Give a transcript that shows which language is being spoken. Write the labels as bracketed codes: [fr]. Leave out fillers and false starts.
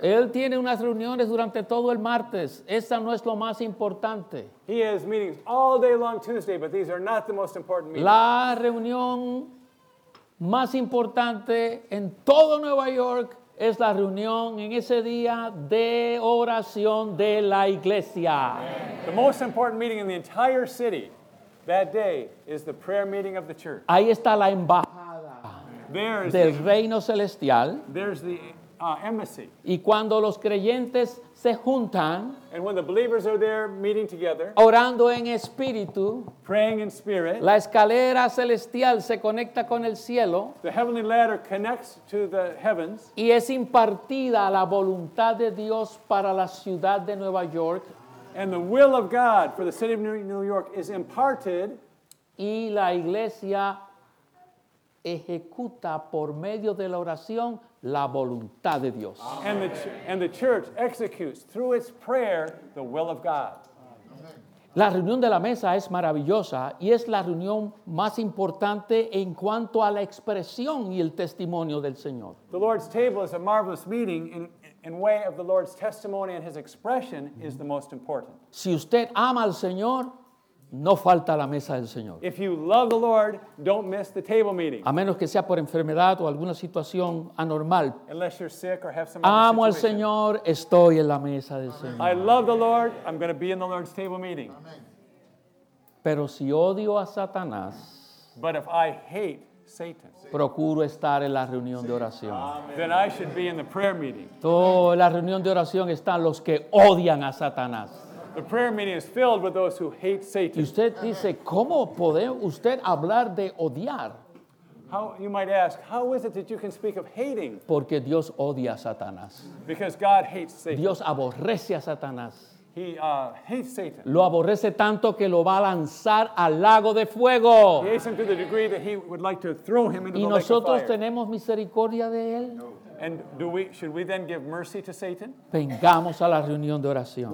[es] Él tiene unas reuniones durante todo el martes. Esa no es lo más importante. [en] He has meetings all day long Tuesday, but these are not the most important meetings. [es] La reunión más importante en todo Nueva York es la reunión en ese día de oración de la iglesia. [en] Amen. The most important meeting in the entire city that day is the prayer meeting of the church. [es] Ahí está la embajada del reino celestial. [en] There's the embassy. [es] Y cuando los creyentes se juntan, [en] and when the believers are there meeting together, [es] orando en espíritu, [en] praying in spirit, [es] la escalera celestial se conecta con el cielo, [en] the heavenly ladder connects to the heavens, [es] y es impartida la voluntad de Dios para la ciudad de Nueva York, [en] and the will of God for the city of New York is imparted, [es] y la iglesia ejecuta por medio de la oración la voluntad de Dios. [en] And the church executes through its prayer the will of God. [es] La reunión de la mesa es maravillosa y es la reunión más importante en cuanto a la expresión y el testimonio del Señor. [en] The Lord's table is a marvelous meeting in way of the Lord's testimony, and his expression is the most important. [es] Si usted ama al Señor, no falta la mesa del Señor. [en] If you love the Lord, don't miss the table meeting. [es] A menos que sea por enfermedad o alguna situación anormal. [en] Unless you're sick or have some other situation. [es] Amo al Señor, estoy en la mesa del Señor. [en] I love the Lord, I'm going to be in the Lord's table meeting. [es] Pero si odio a Satanás, [en] but if I hate Satan, [es] procuro estar en la reunión de oración. [en] Then I should be in the prayer meeting. [es] Toda la reunión de oración están los que odian a Satanás. [en] The prayer meeting is filled with those who hate Satan. [es] Y usted dice, ¿cómo puede usted hablar de odiar? [en] You might ask, how is it that you can speak of hating? [es] Porque Dios odia a Satanás. [en] Because God hates Satan. [es] Dios aborrece a Satanás. [en] He hates Satan. [es] Lo aborrece tanto que lo va a lanzar al lago de fuego. [en] He hates him to the degree that he would like to throw him into the lake of fire. [es] ¿Y nosotros tenemos misericordia de él? [en] And should we then give mercy to Satan? [es] Vengamos a la reunión de oración.